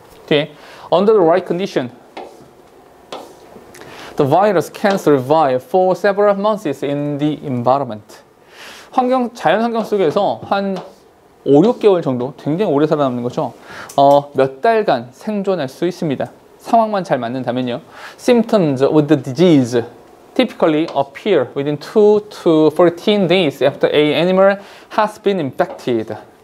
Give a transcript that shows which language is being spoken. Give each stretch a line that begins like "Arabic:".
Korean: 뒤에
English: under the right condition the virus can survive for several months in the environment.
Korean: 환경 자연 환경 속에서 한 5-6개월 정도 굉장히 오래 살아남는 거죠. 몇 달간 생존할 수 있습니다. 상황만 잘 맞는다면요.
English: Symptoms of the disease typically appear within 2 to 14 days after a animal has been infected.